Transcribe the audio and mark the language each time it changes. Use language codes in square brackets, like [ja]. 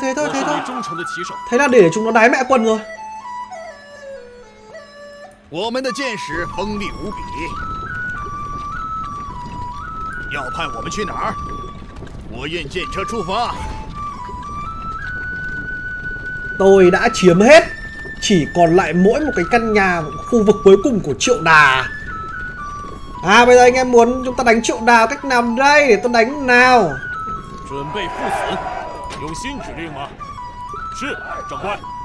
[vi] thế thôi. Thế là để chúng nó đái mẹ quân rồi. [zh] 我们的箭矢锋利无比，要派我们去哪儿？火焰箭车出发。 [vi] Tôi đã chiếm hết, chỉ còn lại mỗi một cái căn nhà khu vực cuối cùng của Triệu Đà. À, bây giờ anh em muốn chúng ta đánh Triệu Đà cách nào đây? Để tôi đánh nào. Chuẩn bị phụ tử, có xin chỉ lệnh không? Sì, trưởng quan.